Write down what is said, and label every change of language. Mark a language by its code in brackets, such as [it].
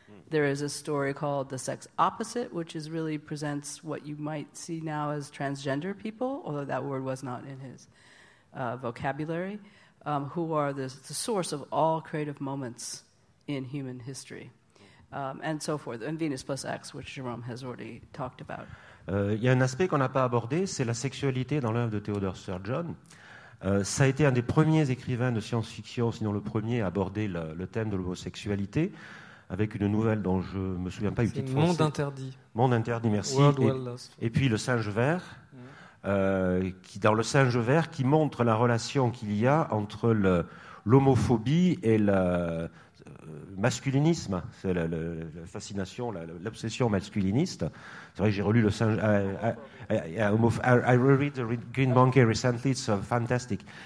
[en] There is a story called The Sex Opposite, which is really presents what you might see now as transgender people, although that word was not in his vocabulary, who are the source of all creative moments in human history, and so forth. And Venus plus X, which Jérôme has already talked about. [fr] Il y a un aspect qu'on n'a pas abordé, c'est la sexualité dans l'œuvre de Theodore Sturgeon. Ça a été un des premiers écrivains de science-fiction, sinon le premier, à aborder le thème de l'homosexualité, avec une nouvelle dont je ne me souviens pas du titre. Monde interdit. Monde interdit, merci. [en] World Well Lost. [fr] Et puis Le Singe Vert. Qui, dans Le Singe Vert, qui montre la relation qu'il y a entre l'homophobie et le masculinisme, c'est la fascination, l'obsession masculiniste. C'est vrai que j'ai relu Le Singe... [en] I read The Green Monkey recently, it's fantastic.